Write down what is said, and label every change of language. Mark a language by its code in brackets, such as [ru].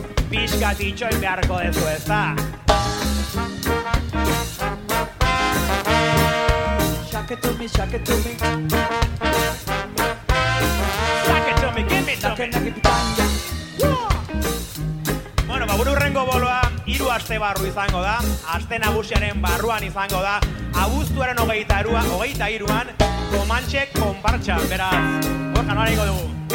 [eu] Piskat itxoin beharko dezu ez da. [en] shake it to me, shake it to me. Shake it to me, give it to me. [eu] Bueno, baburrengo boloa, hiru aste barru izango da, aste nagusiaren barruan izango da, abuztuaren 23an, Comanche konpartsa, beraz, Borja, nola ingo dugu.